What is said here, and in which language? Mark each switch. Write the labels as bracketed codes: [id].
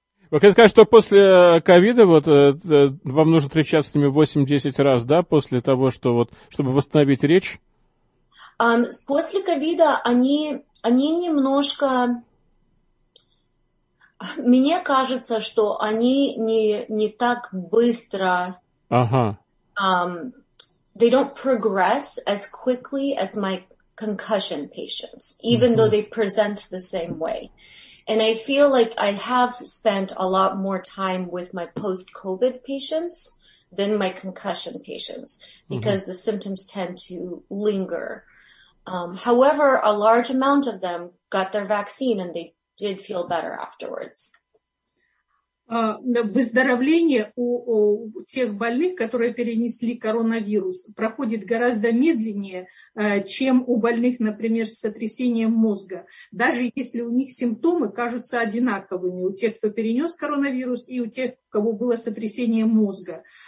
[ru] Вы хотите сказать, что после ковида вот, вам нужно встречаться с ними 8-10 раз, да, после того, что вот, чтобы восстановить речь? После ковида они немножко, мне кажется, что они не так быстро, ага. [en] They don't progress as quickly as my concussion patients, even mm-hmm. though they present the same way. And I feel like I have spent a lot more time with my post-COVID patients than my concussion patients, because mm-hmm. the symptoms tend to linger. However, a large amount of them got their vaccine and they did feel better afterwards. [ru] Выздоровление у тех больных, которые перенесли коронавирус, проходит гораздо медленнее, чем у больных, например, с сотрясением мозга. Даже если у них симптомы кажутся одинаковыми, у тех, кто перенес коронавирус, и у тех, у кого было сотрясение мозга.